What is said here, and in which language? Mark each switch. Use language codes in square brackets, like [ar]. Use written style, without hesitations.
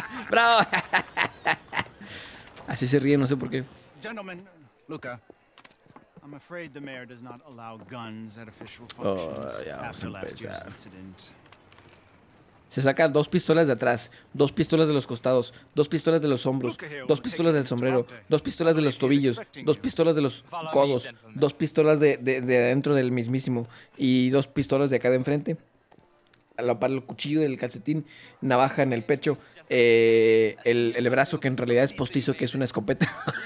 [es] Bravo. Así se ríe, no sé por qué. Gentlemen, Luca. [en] I'm afraid the mayor does not allow guns at official functions after last year's incident. [es] Se saca dos pistolas de atrás, dos pistolas de los costados, dos pistolas de los hombros, dos pistolas del sombrero, dos pistolas de los tobillos, dos pistolas de los codos, dos pistolas de adentro del mismísimo y dos pistolas de acá de enfrente. A la par el cuchillo del calcetín, navaja en el pecho, el brazo que en realidad es postizo, que es una escopeta.